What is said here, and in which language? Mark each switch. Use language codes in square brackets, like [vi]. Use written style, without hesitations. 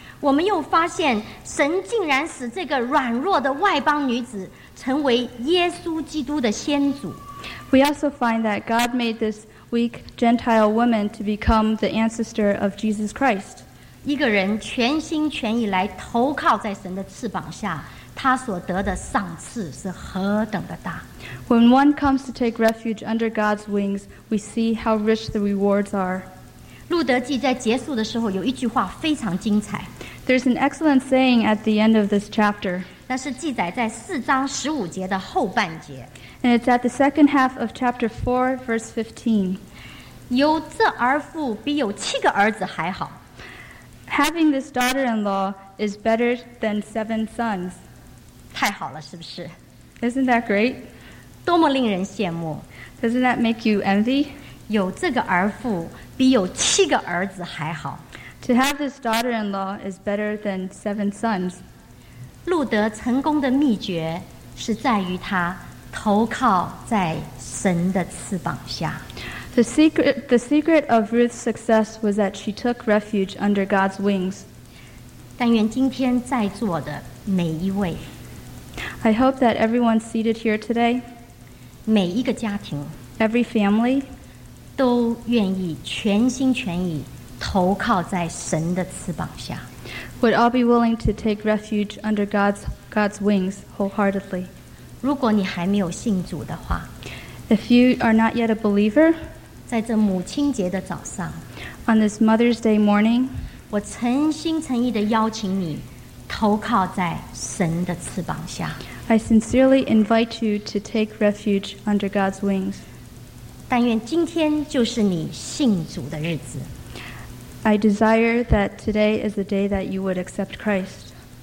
[zh] 我们又发现神竟然使这个软弱的外邦女子成为耶稣基督的先祖。 [en] We also find that God made this weak Gentile woman to become the ancestor of Jesus Christ. [zh] 一个人全心全意来投靠在神的翅膀下，他所得的赏赐是何等的大。 [en] When one comes to take refuge under God's wings, we see how rich the rewards are. [zh] 路德记在结束的时候有一句话非常精彩。 [en] There's an excellent saying at the end of this chapter. [zh] 那是记载在四章十五节的后半节。 [en] And it's at the second half of chapter 4, verse 15. [zh] 有这儿妇比有七个儿子还好。 [en] Having this daughter-in-law is better than seven sons. [zh] 太好了，是不是？ [en] Isn't that great? [zh] 多么令人羡慕。 [en] Doesn't that make you envy? [zh] 有这个儿妇比有七个儿子还好。 [en] To have this daughter-in-law is better than seven sons. [zh] 路德成功的秘诀是在于他投靠在神的翅膀下。 [en] The secret of Ruth's success was that she took refuge under God's wings. [zh] 但愿今天在座的每一位， [en] I hope that everyone seated here today, [zh] 每一个家庭， [en] every family, [zh] 都愿意全心全意投靠在神的翅膀下， [en] would all be willing to take refuge under God's wings wholeheartedly. [zh] 如果你还没有信主的话， [en] if you are not yet a believer, [zh] 在这母亲节的早上， [en] on this Mother's Day morning, [zh] 我诚心诚意地邀请你投靠在神的翅膀下。 [en] I sincerely invite you to take refuge under God's wings. [zh] 但愿今天就是你信主的日子。 [en] I desire that today is the day that you would accept Christ.